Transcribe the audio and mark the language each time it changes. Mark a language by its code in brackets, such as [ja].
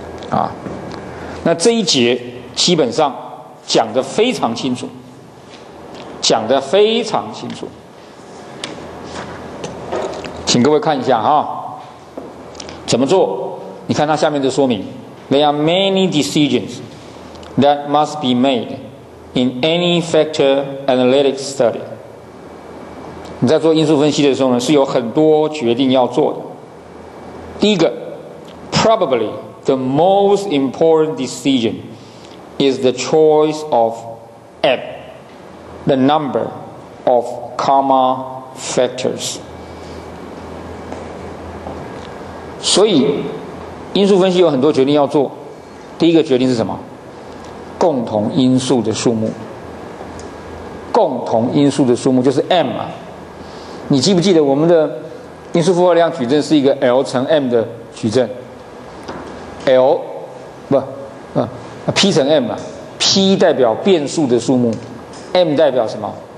[zh] 啊，那这一节基本上讲得非常清楚，讲得非常清楚，请各位看一下啊，怎么做？你看它下面的说明 ， [en] There are many decisions。 That must be made in any factor analytic study. [zh] 你在做因素分析的时候呢，是有很多决定要做的。第一个 [en] ，probably the most important decision is the choice of F, the number of comma factors. [zh] 所以，因素分析有很多决定要做。第一个决定是什么？共同因素的数目，共同因素的数目就是 M 嘛。你记不记得我们的因素复合量矩阵是一个 L 乘 M 的矩阵 ，L 不，P 乘 M 嘛 ，P 代表变数的数目 ，M 代表什么？